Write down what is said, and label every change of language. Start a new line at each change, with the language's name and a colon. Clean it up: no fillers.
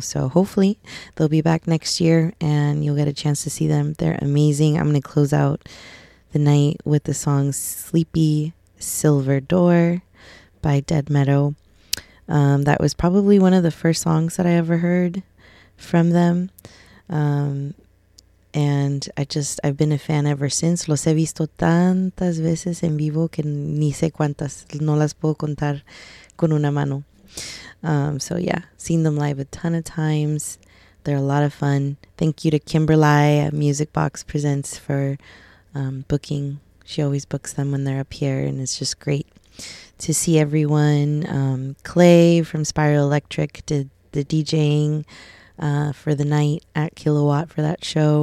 English: So hopefully they'll be back next year and you'll get a chance to see them. They're amazing. I'm going to close out the night with the song Sleepy Silver Door by Dead Meadow. That was probably one of the first songs that I ever heard from them. And I've been a fan ever since.
Spanish: Los he visto tantas veces en vivo que ni sé cuántas, no las puedo contar con una mano.
English: So yeah, seen them live a ton of times. They're a lot of fun. Thank you to Kimberly at Music Box Presents for booking. She always books them when they're up here, and it's just great to see everyone. Clay from Spiral Electric did the DJing for the night at Kilowatt for that show.